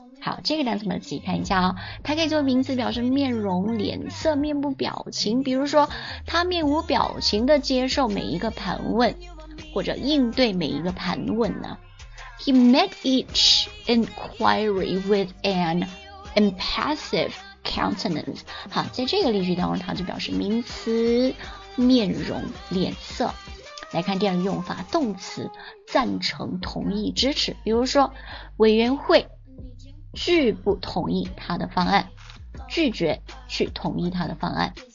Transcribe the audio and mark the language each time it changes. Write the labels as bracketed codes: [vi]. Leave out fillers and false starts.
[zh] 好，这个单词我们仔细看一下哦。它可以作为名词表示面容、脸色、面部表情。比如说他面无表情地接受每一个盘问，或者应对每一个盘问呢。 [en] He met each inquiry with an impassive countenance. [zh] 好，在这个例句当中它就表示名词面容、脸色。来看第二个用法，动词赞成、同意、支持。比如说委员会拒不同意他的方案，拒绝去同意他的方案。